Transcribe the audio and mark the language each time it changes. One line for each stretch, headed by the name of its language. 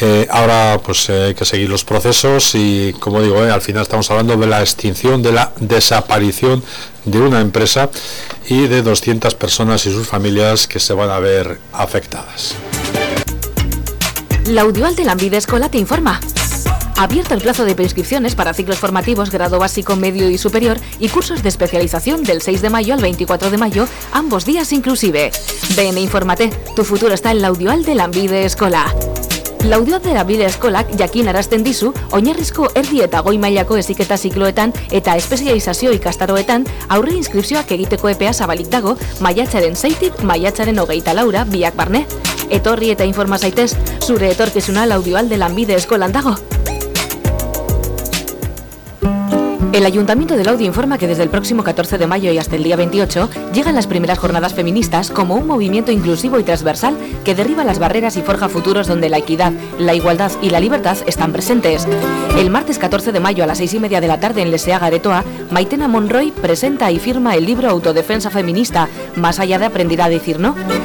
Spanish: Ahora pues hay que seguir los procesos y, como digo, al final estamos hablando de la extinción, de la desaparición de una empresa y de 200 personas y sus familias que se van a ver afectadas. La audioal de Lambide Escola te informa. Abierto el plazo de preinscripciones para ciclos formativos grado básico, medio y superior y cursos de especialización del 6 de mayo al 24 de mayo, ambos días inclusive. Ven e infórmate, tu futuro está en la audioal de Lanbide Eskola.
Basque: La audioal de Lanbide Eskolak jakin arazten dizu, oinarrizko erdi eta goi mailako eziketa zikloetan eta espezializazio ikastaroetan aurre inskripzioak egiteko epea zabalik dago maiatzaren 6-tik maiatzaren 24-ra biak barne. Etorri eta informa zaitez, zure etorkizuna la audioal de Lanbide Eskolan dago.
Spanish: El Ayuntamiento de Laudio informa que desde el próximo 14 de mayo y hasta el día 28 llegan las primeras jornadas feministas como un movimiento inclusivo y transversal que derriba las barreras y forja futuros donde la equidad, la igualdad y la libertad están presentes. El martes 14 de mayo a las 6:30 de la tarde en Leseaga Aretoa, Maitena Monroy presenta y firma el libro Autodefensa Feminista, Más allá de aprender a decir no.